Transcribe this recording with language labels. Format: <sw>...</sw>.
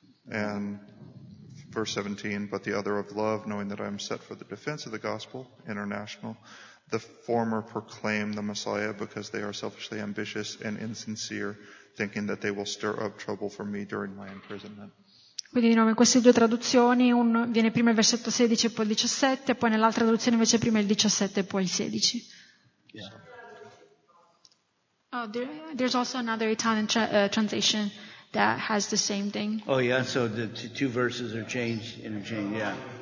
<en>And verse 17, but the other of love, knowing that I am set for the defense of the gospel, International, the former proclaim the Messiah because they are selfishly ambitious and insincere, thinking that they will stir up trouble for me during my imprisonment.</en> <it>Quindi di nuovo in queste due traduzioni, un viene prima il versetto 16 e poi il 17, poi nell'altra traduzione invece prima il 17 e poi il 16.</it> <en>Yeah. Oh, there's also another Italian translation that has the same thing. Oh yeah, so the two verses are changed, interchanged, yeah.</en>